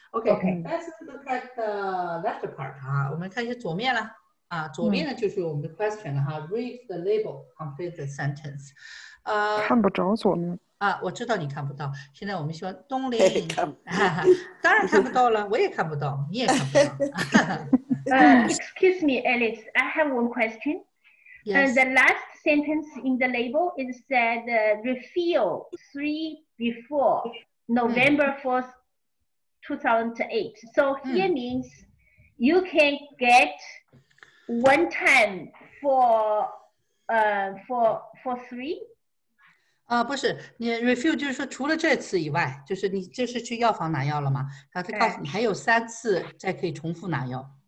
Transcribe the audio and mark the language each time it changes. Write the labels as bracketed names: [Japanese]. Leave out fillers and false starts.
[English] OK，Let's look at the left part 哈， [Chinese] 我们看一下左面了啊，左面呢就是我们的 [English] question 了哈 ，read the label complete the sentence， [Chinese] 看不着左面。啊，我知道你看不到。现在我们说东林，当然看不到了，我也看不到，你也看不到。 [English] excuse me, Alice, I have one question. Yes. The last sentence in the label it said refill three before November 4th, 2008. So here means you can get one time for three. [Chinese] 不是，你 [English] refill [Chinese] 就是说除了这次以外，就是你这是去药房拿药了吗？他是告诉你还有三次再可以重复拿药。